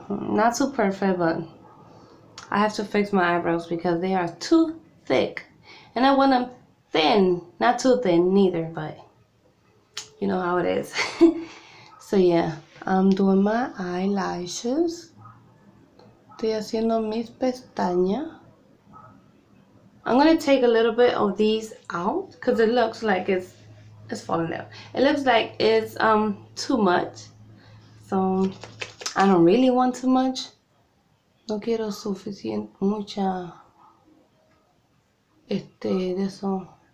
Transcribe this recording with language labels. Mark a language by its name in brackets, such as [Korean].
[English] Not too perfect, but I have to fix my eyebrows because they are too thick. And I want them thin. Not too thin, neither, but you know how it is. So yeah, I'm doing my eyelashes. [Spanish] Estoy haciendo mis pestañas. [English] I'm gonna take a little bit of these out because it looks like it's falling out. It looks like it's too much. So I don't really want too much. [Spanish] No quiero suficiente mucha de eso.